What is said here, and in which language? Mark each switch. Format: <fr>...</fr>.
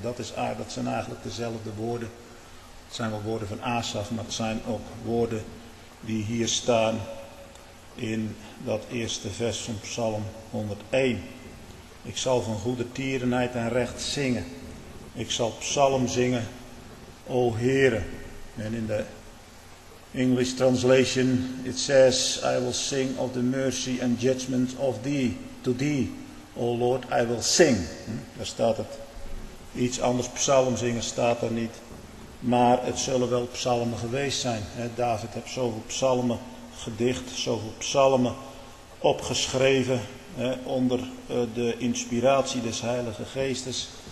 <nl>Dat zijn eigenlijk dezelfde woorden. Het zijn wel woorden van Asaf, maar het zijn ook woorden die hier staan in dat eerste vers van Psalm 101. Ik zal van goede tierenheid en recht zingen. Ik zal psalm zingen, o Heere. En in de</nl> <en>English translation, it says, I will sing of the mercy and judgment of thee, to thee, O Lord, I will sing.</en> <nl>Daar staat het. Iets anders, psalm zingen staat er niet. Maar het zullen wel psalmen geweest zijn. David heeft zoveel psalmen gedicht, zoveel psalmen opgeschreven. Onder de inspiratie des Heilige Geestes.</nl>